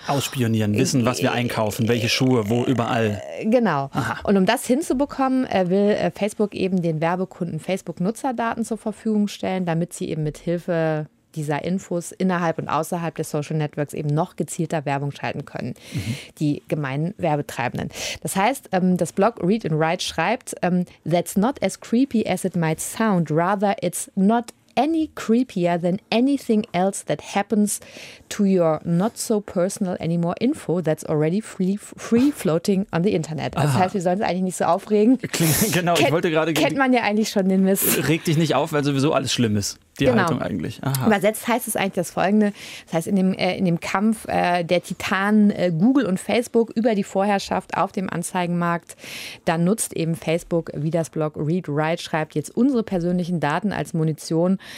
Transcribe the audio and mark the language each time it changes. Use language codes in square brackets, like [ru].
[de] Ausspionieren, wissen, was wir einkaufen, welche Schuhe, wo, überall. Genau. Aha. Und um das hinzubekommen, will Facebook eben den Werbekunden Facebook-Nutzerdaten zur Verfügung stellen, damit sie eben mit Hilfe dieser Infos innerhalb und außerhalb des Social Networks eben noch gezielter Werbung schalten können, die gemeinen Werbetreibenden. Das heißt, das Blog Read and Write schreibt, [en] that's not as creepy as it might sound, rather it's not any creepier than anything else that happens to your not so personal anymore info that's already free floating on the internet. [de] Das heißt, wir sollen uns eigentlich nicht so aufregen. Kennt man ja eigentlich schon den Mist. Reg dich nicht auf, weil sowieso alles schlimm ist. Die genau. Haltung eigentlich. Aha. Übersetzt heißt es eigentlich das Folgende. Das heißt, in dem Kampf der Titanen Google und Facebook über die Vorherrschaft auf dem Anzeigenmarkt, dann nutzt eben Facebook, wie das Blog Read Write schreibt, jetzt unsere persönlichen Daten als Munition.